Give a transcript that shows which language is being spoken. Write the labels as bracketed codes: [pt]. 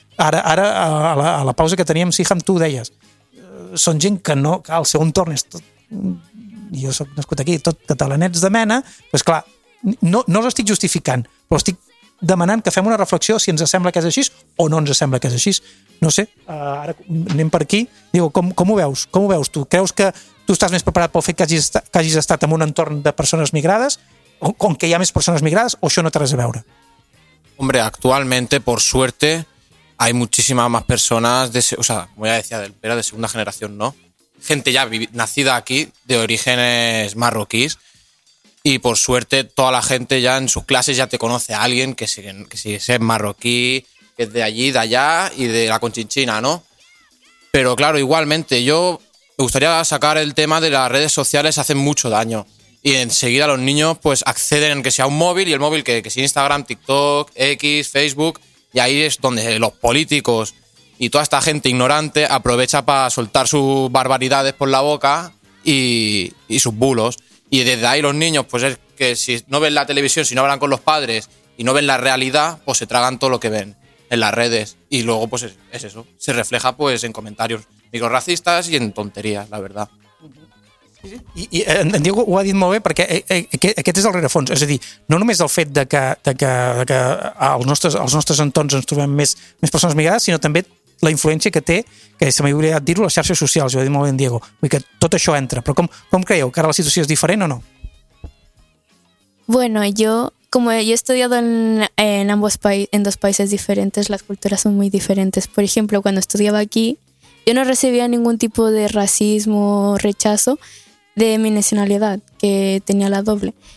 [ca] Ara a la pausa que teníem, Siham, tu ho deies, són gent que no, que al seu entorn és tot, jo soc nascut aquí, tot catalanets de mena, doncs clar, no els estic justificant, però estic demanant que fem una reflexió si ens sembla que és així o no ens sembla que és així. No sé, ara anem per aquí. Digo, com ho veus? Com ho veus tu? Creus que tu estàs més preparat pel fet que hagis estat en un entorn de persones migrades, com que hi ha més persones migrades, o això no té res a veure? [es] Hombre, actualmente, por suerte, hay muchísimas más personas como ya decía, era de segunda generación, ¿no? Gente ya nacida aquí, de orígenes marroquíes, y por suerte toda la gente ya en sus clases ya te conoce a alguien que es marroquí, que es de allí, de allá y de la Conchinchina, ¿no? Pero claro, igualmente, yo me gustaría sacar el tema de las redes sociales, hacen mucho daño. Y enseguida los niños pues acceden, que sea un móvil, y el móvil que sea Instagram, TikTok, X, Facebook, y ahí es donde los políticos y toda esta gente ignorante aprovecha para soltar sus barbaridades por la boca y sus bulos. Y desde ahí los niños, pues es que si no ven la televisión, si no hablan con los padres y no ven la realidad, pues se tragan todo lo que ven en las redes. Y luego, pues es eso, se refleja pues en comentarios microracistas y en tonterías, la verdad. [ca] I en Diego ho ha dit molt bé, perquè aquest és el rerefons. És a dir, no només el fet de que als nostres entorns ens trobem més persones migrades, sinó també la influència que té, que se m'hi hauria de dir-ho, les xarxes socials, ho ha dit molt bé en Diego. Vull dir que tot això entra. Però com creieu? Que ara la situació és diferent o no? [es] Bueno, yo he estudiado en ambos países, en dos países diferentes, las culturas son muy diferentes. Por ejemplo, cuando estudiaba aquí, yo no recibía ningún tipo de racismo o rechazo de mi nacionalidad, que tenía la doble.